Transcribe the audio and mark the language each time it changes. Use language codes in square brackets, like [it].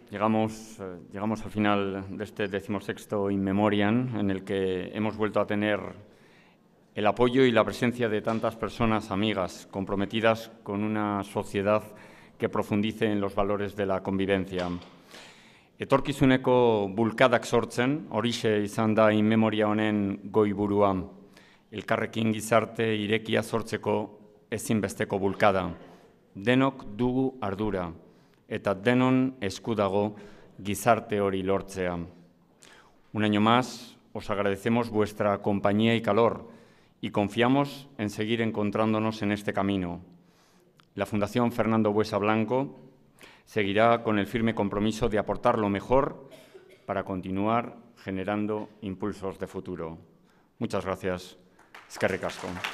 [es] Llegamos al final de este 16º In Memoriam, en el que hemos vuelto a tener el apoyo y la presencia de tantas personas amigas comprometidas con una sociedad que profundice en los valores de la convivencia. [eu] Etorkizuneko bulkadak sortzen, horixe izan da In Memoriam honen goiburua. Elkarrekin gizarte irekia sortzeko ezinbesteko bulkada. Denok dugu ardura. Eta denon eskudago gizarte hori lortzea. [es] Un año más, os agradecemos vuestra compañía y calor y confiamos en seguir encontrándonos en este camino. La Fundación Fernando Buesa Blanco seguirá con el firme compromiso de aportar lo mejor para continuar generando impulsos de futuro. Muchas gracias. [eu] Eskerrik asko.